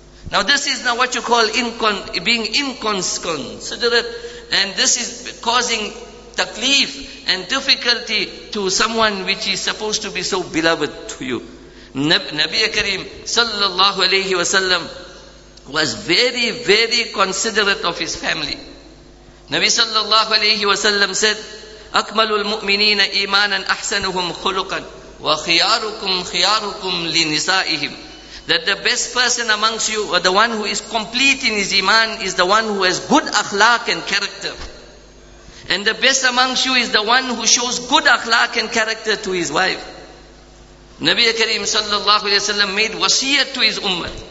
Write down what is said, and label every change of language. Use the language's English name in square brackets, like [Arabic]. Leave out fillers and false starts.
[English] Now this is now what you call being inconsiderate. And this is causing taklif and difficulty to someone which is supposed to be so beloved to you. Nabi Kareem sallallahu alayhi wa sallam was very, very considerate of his family. Nabi sallallahu alayhi wa sallam said, [Arabic] أكمل المؤمنين إيمانا أحسنهم خلقا وخياركم خياركم لنسائهم. [English] That the best person amongst you, or the one who is complete in his iman, is the one who has good akhlaq and character. And the best amongst you is the one who shows good akhlaq and character to his wife. Nabi Kareem sallallahu alayhi wa sallam made wasiyat to his ummah.